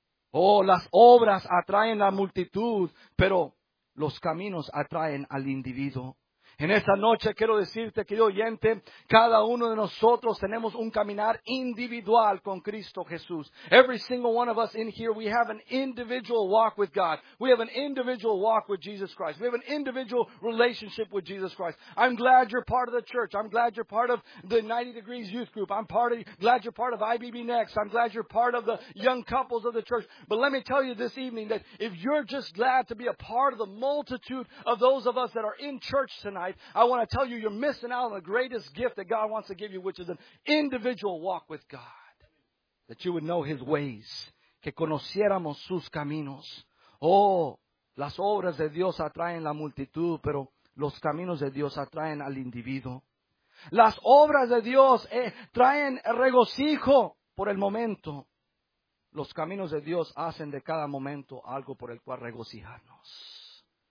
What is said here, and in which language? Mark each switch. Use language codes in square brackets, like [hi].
[es] Oh, las obras atraen la multitud, pero los caminos atraen al individuo. En esta noche quiero decirte, querido oyente, cada uno de nosotros tenemos un caminar individual con Cristo Jesús. [en] Every single one of us in here, we have an individual walk with God. We have an individual walk with Jesus Christ. We have an individual relationship with Jesus Christ. I'm glad you're part of the church. I'm glad you're part of the 90 Degrees Youth Group. Glad you're part of IBB Next. I'm glad you're part of the young couples of the church. But let me tell you this evening that if you're just glad to be a part of the multitude of those of us that are in church tonight, I want to tell you, you're missing out on the greatest gift that God wants to give you, which is an individual walk with God. That you would know His ways. [es] Que conociéramos sus caminos. Oh, las obras de Dios atraen la multitud, pero los caminos de Dios atraen al individuo. Las obras de Dios traen regocijo por el momento. Los caminos de Dios hacen de cada momento algo por el cual regocijarnos.